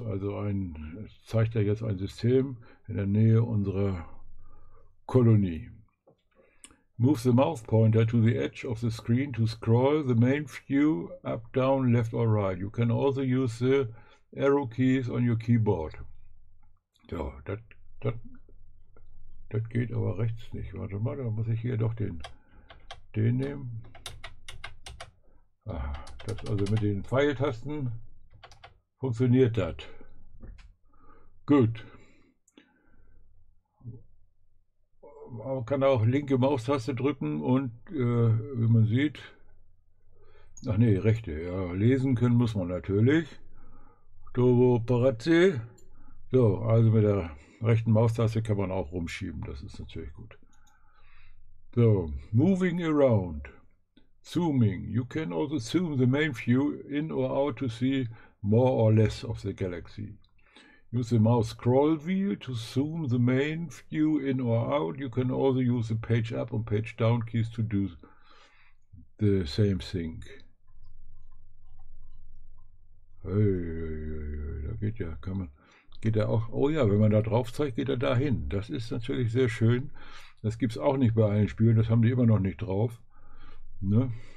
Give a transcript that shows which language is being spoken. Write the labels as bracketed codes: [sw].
[de] Also zeigt er jetzt ein System in der Nähe unserer Kolonie. [en] Move the mouse pointer to the edge of the screen to scroll the main view up, down, left or right. You can also use the arrow keys on your keyboard. [de] So, das geht aber rechts nicht. Warte mal, da muss ich hier doch den nehmen. Ah, das also mit den Pfeiltasten funktioniert das. Gut. Man kann auch linke Maustaste drücken und wie man sieht, ach nee, rechte. Ja, lesen können muss man natürlich. Turbo-Parazzi. So, also mit der rechten Maustaste kann man auch rumschieben. Das ist natürlich gut. So, [en] moving around. Zooming. You can also zoom the main view in or out to see more or less of the galaxy. Use the mouse scroll wheel to zoom the main view in or out. You can also use the page up and page down keys to do the same thing. [de] Hey, da geht ja, kann man, geht er auch, oh ja, wenn man da drauf zeigt, geht er dahin. Das ist natürlich sehr schön. Das gibt es auch nicht bei allen Spielen, das haben die immer noch nicht drauf. Ne?